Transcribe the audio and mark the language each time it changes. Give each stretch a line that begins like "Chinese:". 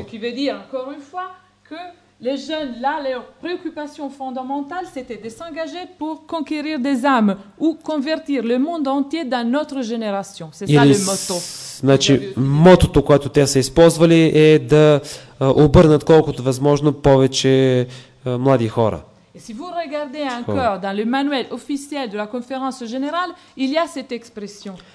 French: Ce qui veut dire encore une fois que les jeunes là leur préoccupation fondamentale c'était de s'engager pour conquérir des âmes ou convertir le monde entier dans notre génération. C'est ça le motto.
Bulgarian: Значи мотото, което те са използвали, е да обърнат колкото възможно повече млади хора.
French: Et si vous regardez encore dans le manuel officiel de la conférence générale, il y a cette expression.